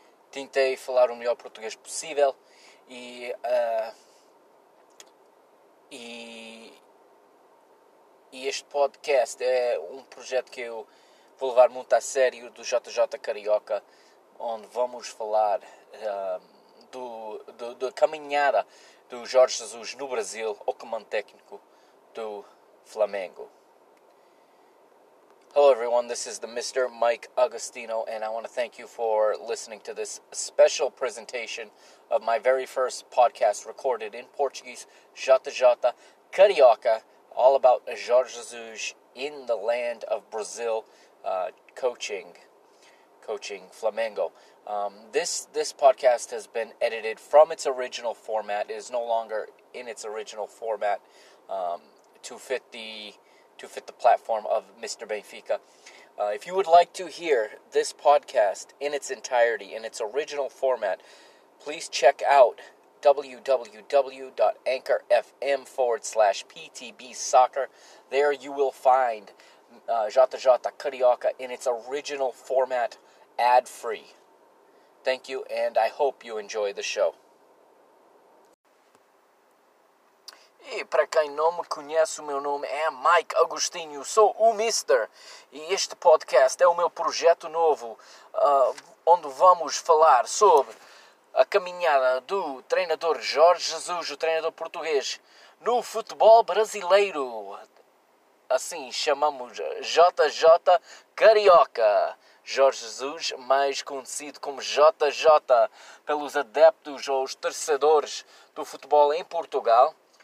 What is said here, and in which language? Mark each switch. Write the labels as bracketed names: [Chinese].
[Portuguese] Tentei falar o melhor português possível e este podcast é um projeto que eu vou levar muito a sério, do JJ Carioca, onde vamos falar da caminhada do Jorge Jesus no Brasil, o comando técnico do Flamengo. [English] Hello everyone, this is the Mr. Mike Agostinho, and I want to thank you for listening to this special presentation of my very first podcast recorded in Portuguese, Jota-Jota, Carioca, all about Jorge Jesus in the land of Brazil, coaching Flamengo. This podcast has been edited from its original format. It is no longer in its original format to fit the platform of Mr. Benfica. If you would like to hear this podcast in its entirety, in its original format, please check out www.anchor.fm/PTB Soccer. There you will find JJ Carioca in its original format, ad-free. Thank you, and I hope you enjoy the show. [Portuguese] E para quem não me conhece, o meu nome é Mike Agostinho, sou o Mister, e este podcast é o meu projeto novo, onde vamos falar sobre a caminhada do treinador Jorge Jesus, o treinador português, no futebol brasileiro, assim chamamos JJ Carioca, Jorge Jesus, mais conhecido como JJ pelos adeptos ou os torcedores do futebol em Portugal.